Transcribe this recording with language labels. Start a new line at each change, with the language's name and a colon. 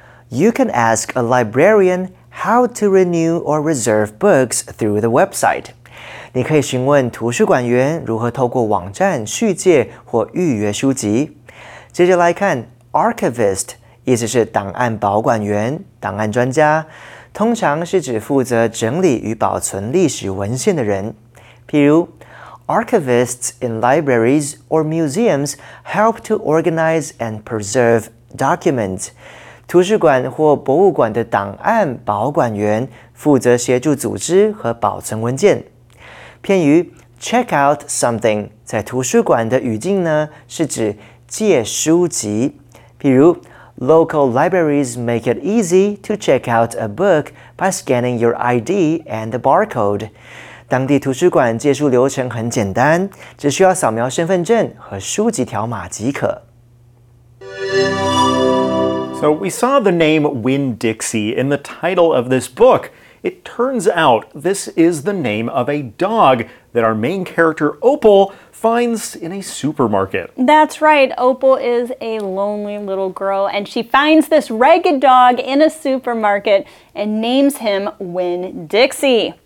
English: You can ask a librarian how to renew or reserve books through the website.
Chinese: 你可以询问图书馆员如何透过网站续借或预约书籍。接着来看 archivist， 意思是档案保管员、档案专家，通常是指负责整理与保存历史文献的人。
English: 譬如Archivists in libraries or museums help to organize and preserve documents.
Chinese: 图书馆或博物馆的档案保管员负责协助组织和保存文件。片语 check out something 在图书馆的语境呢，是指借书籍。
English: 譬如 local libraries make it easy to check out a book by scanning your ID and the barcode.
Chinese: 当地图书馆借书流程很简单，只需要扫描身份证和书籍条码即可。
English: So we saw the name Winn-Dixie in the title of this book. It turns out this is the name of a dog that our main character Opal finds in a supermarket. That's right. Opal is a lonely little girl, and she finds this ragged dog in a supermarket and names him Winn-Dixie.